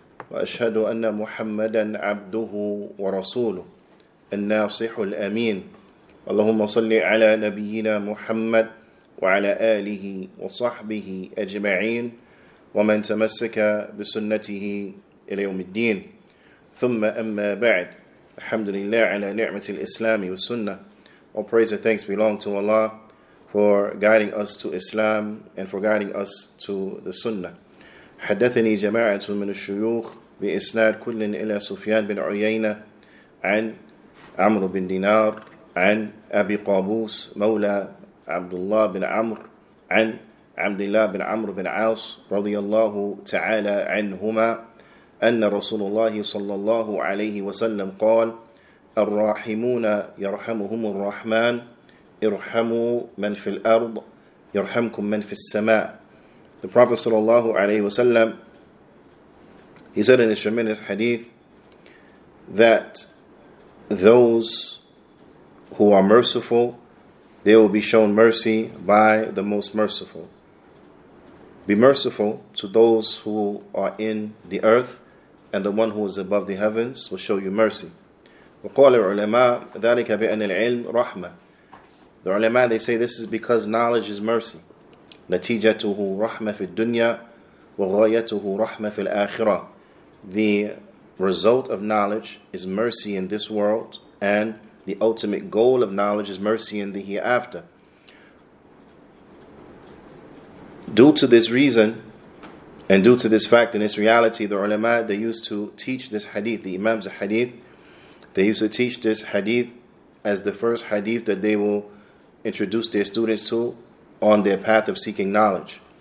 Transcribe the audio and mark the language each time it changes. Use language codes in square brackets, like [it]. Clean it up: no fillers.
[ar] وأشهد أن محمدا عبده ورسوله الناصح الأمين اللهم صل على نبينا محمد وعلى آله وصحبه أجمعين ومن تمسك بسنته إلى يوم الدين ثم أما بعد الحمد لله على نعمة الإسلام والسنة. [en] All praise and thanks belong to Allah for guiding us to Islam and for guiding us to the Sunnah. [ar] حدثني جماعة من الشيوخ بإسناد كل إلى سفيان بن عيينة عن عمرو بن دينار عن أبي قابوس مولى عبد الله بن عمر عن عبد الله بن عمرو بن عاص رضي الله تعالى عنهما أن رسول الله صلى الله عليه وسلم قال الراحمون يرحمهم الرحمن ارحموا من في الأرض يرحمكم من في السماء. [en] The Prophet صلى الله عليه وسلم, he said in his tremendous hadith that those who are merciful, they will be shown mercy by the most merciful. Be merciful to those who are in the earth, and the one who is above the heavens will show you mercy. [ar] وقال العلماء ذلك بأن العلم رحمة. [en] The ulama, they say this is because knowledge is mercy. [ar] نتيجته رحمة في الدنيا وغايته رحمة في الآخرة. [en] The result of knowledge is mercy in this world, and the ultimate goal of knowledge is mercy in the hereafter. Due to this reason, and due to this fact and this reality, the ulama, they used to teach this hadith, the imams of hadith, they used to teach this hadith as the first hadith that they will introduce their students to on their path of seeking knowledge.